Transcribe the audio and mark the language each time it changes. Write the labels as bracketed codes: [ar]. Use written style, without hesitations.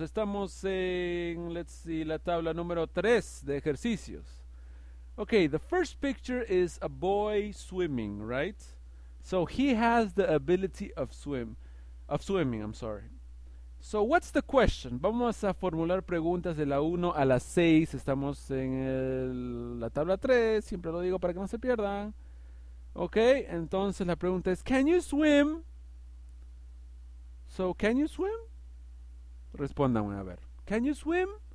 [es] Estamos en, [en] let's see, [es] la tabla número 3 de ejercicios. [en] Ok, the first picture is a boy swimming, right? So he has the ability of swimming, I'm sorry. So what's the question? [es] Vamos a formular preguntas de la 1 a la 6. Estamos en la tabla 3, siempre lo digo para que no se pierdan. [en] Ok, [es] entonces la pregunta es, [en] can you swim? So, can you swim? [es] Respóndanme, a ver. [en] Can you swim?